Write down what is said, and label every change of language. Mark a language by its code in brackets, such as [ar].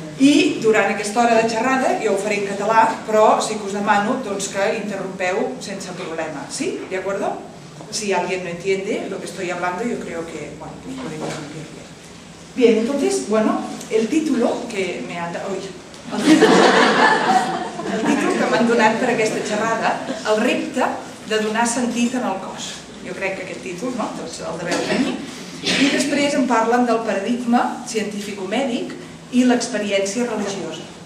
[ca] I durant aquesta hora de xerrada, jo ho faré en català, però sí que us demano doncs, que interrompeu sense problema. [es] Sí? De acuerdo? Si alguien no entiende lo que estoy hablando, yo creo que, bueno, pues podemos seguir bien. Bien, entonces, bueno, el título que me han... [ca] Ui, el títol que m'han donat per aquesta xerrada, el repte de donar sentit en el cos. Jo crec que aquest títol, no?, doncs el deveu tenir. I després em parlen del paradigma científico-mèdic i l'experiència religiosa.